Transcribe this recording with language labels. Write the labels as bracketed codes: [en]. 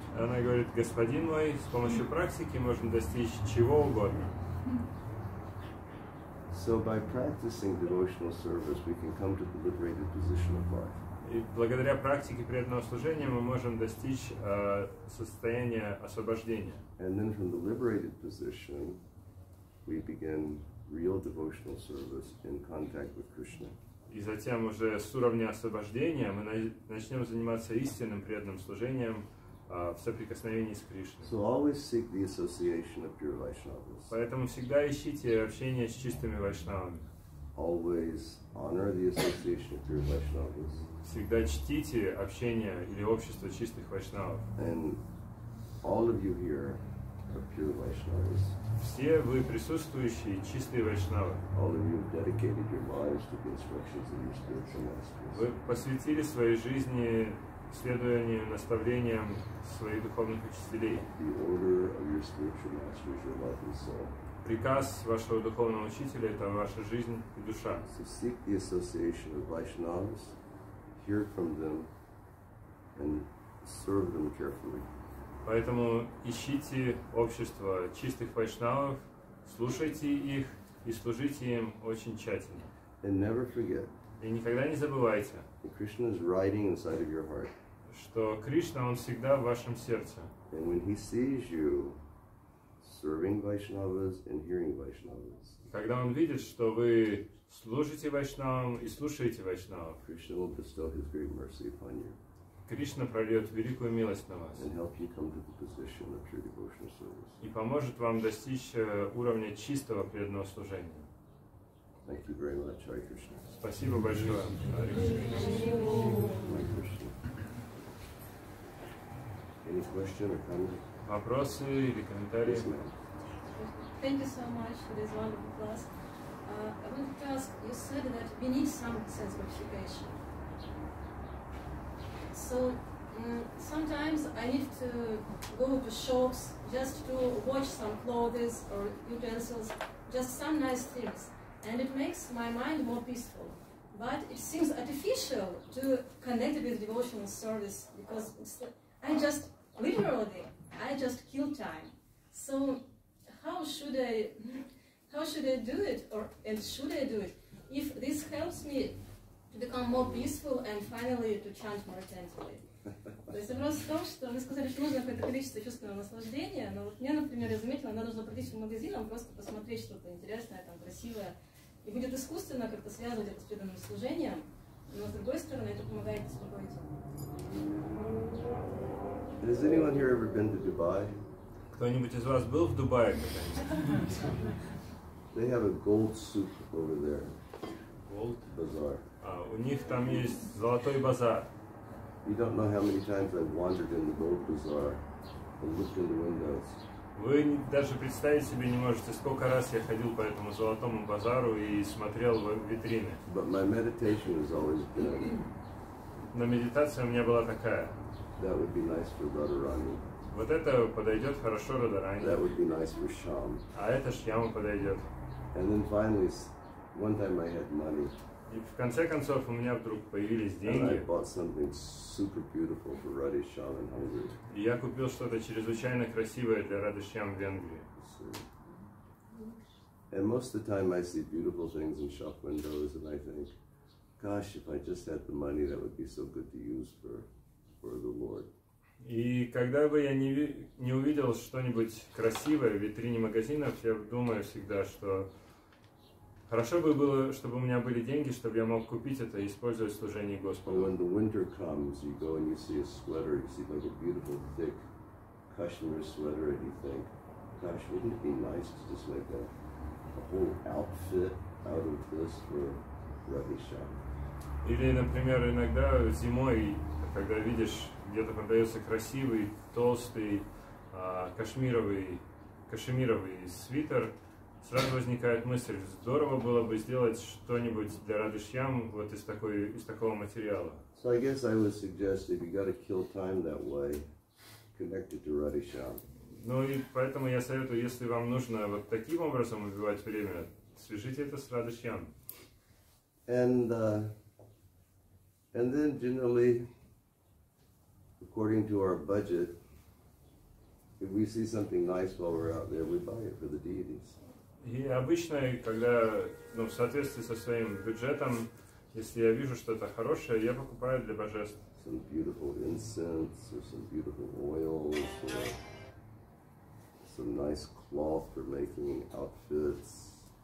[ru] Она говорит, господин мой, с помощью практики можно достичь чего угодно. [en] So by practicing devotional service, we can come to the liberated position of heart. [ru] И благодаря практике преданного служения мы можем достичь состояния освобождения. [en] And then from the liberated position, we begin real devotional service in contact with Krishna. [ru] И затем уже с уровня освобождения мы начнем заниматься истинным преданным служением в соприкосновении с Кришной. [en] So always seek the association of pure Vaishnavas. [ru] Поэтому всегда ищите общение с чистыми вайшнавами. [en] Always honor the association of pure Vaishnavas. [ru] Всегда чтите общение или общество чистых вайшнавов. [en] And all of you here are pure Vaishnavas. [ru] Все вы присутствующие чистые вайшнавы. [en] All of you dedicated your lives to the instructions of your spiritual masters. [ru] Вы посвятили своей жизни следованию наставлениям своих духовных учителей. [en] The order of your spiritual masters, your life and soul. [ru] Приказ вашего духовного учителя — это ваша жизнь и душа. [en] So seek the association of Vaishnavas. Hear from them and serve them carefully. [ru] Поэтому ищите общество чистых вайшнавов, слушайте их и служите им очень тщательно. [en] And never forget. [ru] И никогда не забывайте. [en] That Krishna is riding inside of your heart. [ru] Что Кришна, он всегда в вашем сердце. [en] And when he sees you serving Vaishnavas and hearing Vaishnavas. [ru] Когда он видит, что вы служите вайшнавам и слушаете вайшнавов, [en] Krishna will bestow his great mercy upon you. [ru] Кришна прольет великую милость на вас. [en] And help you come to the position of pure devotional service. [ru] И поможет вам достичь уровня чистого преданного служения. [en] Thank you very much, Hare Krishna. [ru] Спасибо большое. Hare Krishna. [en] Any question or comment? [ru] Вопросы или комментарии? [en] Yes, ma'am. Thank you so much for this wonderful class. I wanted to ask, you said that we need some sense gratification. So sometimes I need to go to shops just to watch some clothes or utensils, just some nice things, and it makes my mind more peaceful. But it seems artificial to connect with devotional service because I just kill time. So how should I do it, and should I do it? If this helps me to become more peaceful and finally to chant more attentively. [ru] То есть вопрос в том, что вы сказали, что нужно какое-то количество чувственного наслаждения, но вот мне, например, я заметила, мне нужно пройти в магазин, просто посмотреть что-то интересное, там красивое, и будет искусственно как-то связывать это с преданным служением, но с другой стороны это помогает успокоить. [en] Has anyone here ever been to Dubai? [ru] Кто-нибудь из вас был в Дубае когда-нибудь? [en] They have a gold souk over there. Gold bazaar. [ru] У них там есть золотой базар. [en] You don't know how many times I've wandered in the gold bazaar and looked in the windows. [ru] Вы даже представить себе не можете, сколько раз я ходил по этому золотому базару и смотрел в витрины. [en] But my meditation has always been. [ru] Но медитация у меня была такая. [en] That would be nice for Radharani. [ru] Вот это подойдет хорошо Радаране. [en] That would be nice for Shyam. [ru] А это Шьяма подойдет. [en] And then finally, one time I had money. [ru] И в конце концов у меня вдруг появились деньги. [en] And I bought something super beautiful for Radhe Shyam in Hungary. [ru] И я купил что-то чрезвычайно красивое для Радхе Шьям в Венгрии. [en] So, and most of the time I see beautiful things in shop windows, and I think, gosh, if I just had the money, that would be so good to use for the Lord. [ru] И когда бы я не увидел что-нибудь красивое в витрине магазинов, я думаю всегда, что хорошо бы было, чтобы у меня были деньги, чтобы я мог купить это и использовать в служении Господу. [en] When the winter comes, you go and you see a sweater, you see like a beautiful thick cashmere sweater, and you think, gosh, wouldn't it be nice to just make a whole outfit out of this for Rabbi Shah? [ru] Или, например, иногда зимой, когда видишь, где-то продается красивый, толстый, кашемировый свитер, сразу возникает мысль, здорово было бы сделать что-нибудь для Рабби Шьям вот из такого материала. [en] So I guess I would suggest, if you gotta kill time that way, connect it to Rabbi Shyam. [ru] Ну и поэтому я советую, если вам нужно вот таким образом убивать время, свяжите это с Рабби Шьям. [en] And then generally, according to our budget, if we see something nice while we're out there, we buy it for the deities. [ru] И обычно, когда, ну, в соответствии со своим бюджетом, если я вижу что-то хорошее, я покупаю для божеств. [en] Some beautiful incense, or some beautiful oils, or some nice cloth for making outfits.